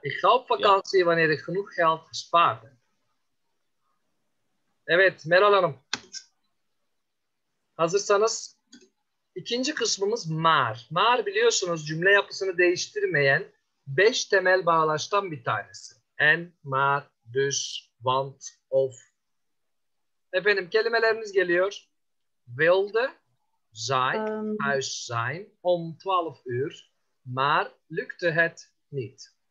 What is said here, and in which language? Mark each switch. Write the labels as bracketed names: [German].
[Dutch] Ik ga op vakantie wanneer ik genoeg geld gespaard heb. [Turkish] Evet, Meral Hanım. Hazırsanız ikinci kısmımız maar. Maar biliyorsunuz cümle yapısını değiştirmeyen beş temel bağlaçtan bir tanesi. [Dutch] En, maar, dus, want, of. [Turkish] Efendim kelimeleriniz geliyor. [Dutch] Wilde, zijn, huis zijn, om 12 uur, maar lukte het niet.